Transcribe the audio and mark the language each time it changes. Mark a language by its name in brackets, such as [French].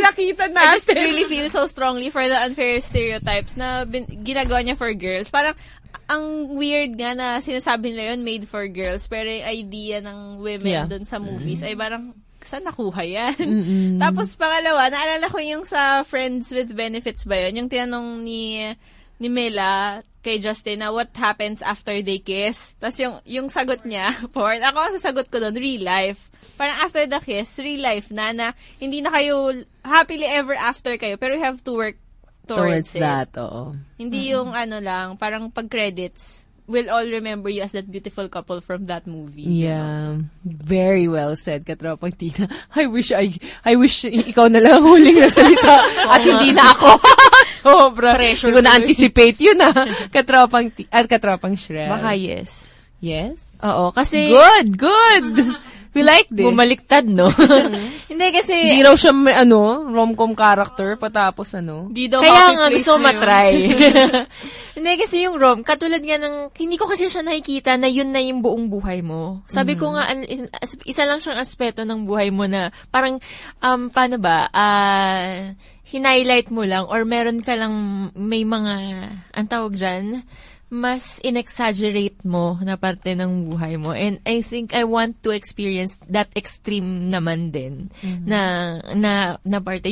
[English] just really feel so strongly for the unfair stereotypes [Filipino] na ginagawa niya [English] for girls. [Filipino] Parang, ang weird nga na sinasabi nila yun, made for girls, pero yung idea ng women doon sa movies ay parang, saan nakuha yan? Tapos pangalawa, naalala ko yung sa Friends with Benefits ba yun? Yung tinanong ni Mela kay Justin na [English] what happens after they kiss? [Filipino] Tapos yung sagot niya, porn. Ako ang sasagot ko doon, real life. [English] Parang after the kiss, real life [Filipino] na hindi na kayo, [English] happily ever after kayo, pero you have to work towards that, oo. [Filipino] Hindi yung ano lang, parang pag-credits, [English] we'll all remember you as that beautiful couple from that movie. Yeah. You know? Very well said, Katropang Tina. [Filipino] I wish ikaw na lang ang huling nasalita at hindi na ako. Sobra. [English] Pressure. [Filipino] Hindi ko na-anticipate yun, ha? Katropang Tina at Katropang Shrek. Baka yes. [English] Yes? [Filipino] Oo, kasi... [English] Good, good! We like this. [Filipino] Bumaliktad, no? Hindi, kasi... Hindi raw siya may, ano, rom-com character, patapos, ano? Kaya nga, gusto matry. Hindi, kasi yung rom, katulad nga ng, hindi ko kasi siya nakikita na yun na yung buong buhay mo. Sabi ko nga, isa lang siyang aspeto ng buhay mo na, parang, paano ba, hinighlight mo lang, or meron ka lang, may mga, ang tawag dyan, mas in-exaggerate mo na parte ng buhay mo. [English] And I think I want to experience that extreme naman din na parte.